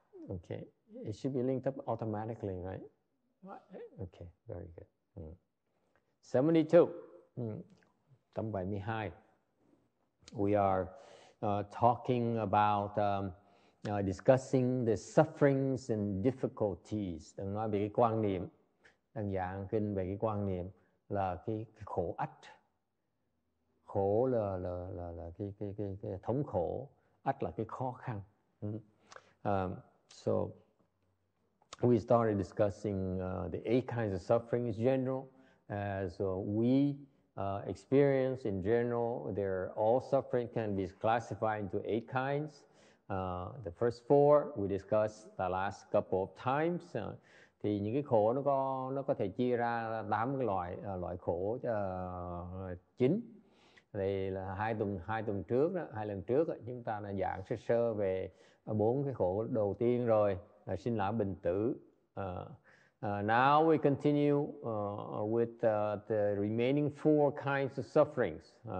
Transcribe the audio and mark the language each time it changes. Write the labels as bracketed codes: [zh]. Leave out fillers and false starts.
[en] Okay, it should be linked up automatically, right? Okay, very good. 72. 72. We are talking about discussing the sufferings and difficulties. [vi] Đừng nói về cái quan niệm, đang giảng kinh về cái quan niệm là cái khổ ách. Khổ là cái thống khổ, ách là cái khó khăn. [en] So we started discussing the eight kinds of suffering in general. As we experience in general, they're all suffering can be classified into eight kinds. The first four we discussed the last couple of times. [vi] Thì những cái khổ nó có thể chia ra tám cái loại khổ chính. Thì là hai tuần trước chúng ta đã giảng sơ sơ về bốn cái khổ đầu tiên rồi, là sinh lão bệnh tử. [en] Now we continue with the remaining four kinds of sufferings.